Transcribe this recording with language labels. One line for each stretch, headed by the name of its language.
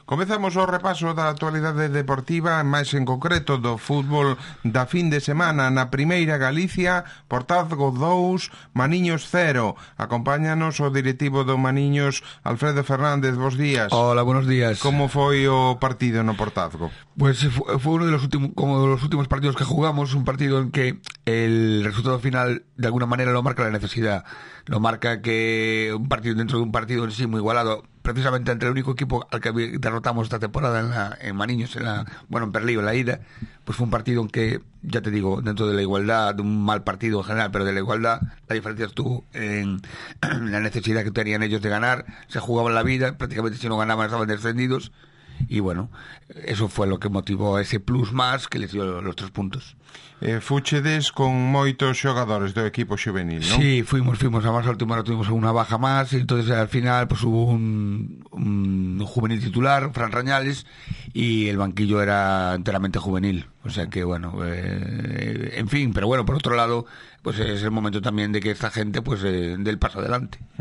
Galician: Comezamos o repaso da actualidade deportiva, máis en concreto do fútbol da fin de semana. Na primeira, Galicia, Portazgo 2, Maniños 0. Acompáñanos o directivo do Maniños, Alfredo Fernández, bos días.
Spanish: Hola, buenos días.
Galician: Como foi o partido no Portazgo?
Spanish: Pues fue uno de los últimos, como de los últimos partidos que jugamos, un partido en que el resultado final de alguna manera lo marca la necesidad. Lo marca que un partido dentro de un partido en sí muy igualado, precisamente entre el único equipo al que derrotamos esta temporada en Maniños, en Perlío, en la ida, pues fue un partido en que, ya te digo, dentro de la igualdad, de un mal partido en general, pero de la igualdad, la diferencia estuvo en la necesidad que tenían ellos de ganar. Se jugaban la vida, prácticamente si no ganaban estaban descendidos. Y bueno, eso fue lo que motivó ese plus más que les dio los tres puntos.
Galician: Fuchedes con moitos xogadores do equipo xuvenil, ¿no?
Spanish: Sí, fuimos, además a última hora tuvimos una baja más. Y entonces al final pues hubo un juvenil titular, Fran Rañales, y el banquillo era enteramente juvenil. O sea que bueno, en fin, pero bueno, por otro lado, pues es el momento también de que esta gente pues dé el paso adelante.